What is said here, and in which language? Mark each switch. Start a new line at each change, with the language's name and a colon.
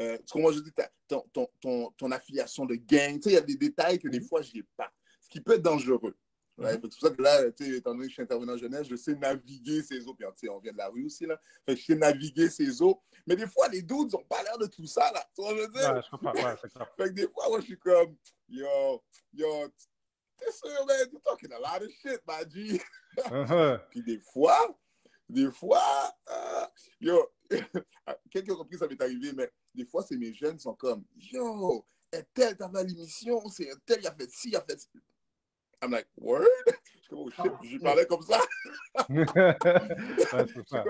French: Comment je dis, ton affiliation de gang, tu sais, il y a des détails que des fois, je n'ai pas, ce qui peut être dangereux. Ouais, c'est pour ça que là, tu sais, étant donné que je suis intervenant jeunesse, je sais naviguer ces eaux, puis tu sais, on vient de la rue aussi, là, fait que je sais naviguer ces eaux, mais des fois, les dudes n'ont pas l'air de tout ça, là, tu vois ce que je veux dire? Ouais, je comprends, ouais, c'est ça. Fait que des fois, moi, je suis comme, yo, C'est sûr, man.
English: You're talking a lot of shit, my G.
French: Puis des fois, quelques reprises, ça m'est arrivé, mais des fois, c'est mes jeunes sont comme, yo, un tel t'a mal l'émission, c'est un tel, il a fait ci.
English: I'm like, word?
French: Je parlais comme ça. Ouais, c'est ça.